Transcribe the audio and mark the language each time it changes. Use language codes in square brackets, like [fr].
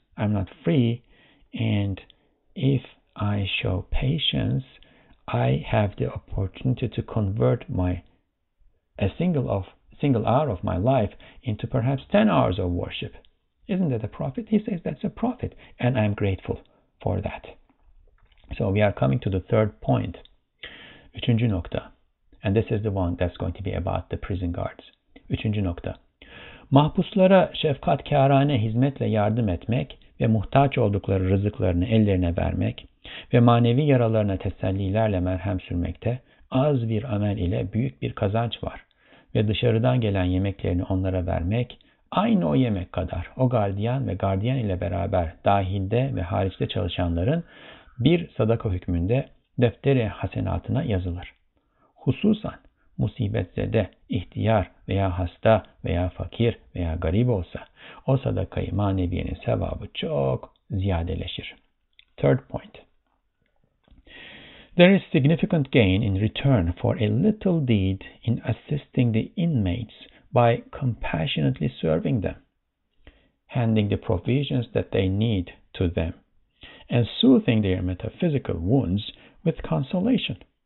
[en] I'm not free, and if I show patience, I have the opportunity to convert a single hour of my life into perhaps 10 hours of worship. Isn't that a prophet? He says that's a prophet, and I'm grateful for that. So we are coming to the third point, [tr] üçüncü nokta, [en] and this is the one that's going to be about the prison guards. [tr] Üçüncü nokta, mahpuslara şefkatkârâne hizmetle yardım etmek ve muhtaç oldukları rızıklarını ellerine vermek ve manevi yaralarına tesellilerle merhem sürmekte az bir amel ile büyük bir kazanç var. Ve dışarıdan gelen yemeklerini onlara vermek aynı o yemek kadar o gardiyan ve gardiyan ile beraber dahilde ve hariçte çalışanların bir sadaka hükmünde defteri hasenatına yazılır. Hususan musibetzede ihtiyar veya hasta veya fakir veya garip olsa o sadakayı maneviyenin sevabı çok ziyadeleşir. [en] Third point. There is significant gain in return for a little deed in assisting the inmates by compassionately serving them, handing the provisions that they need to them, and soothing their metaphysical wounds with consolation.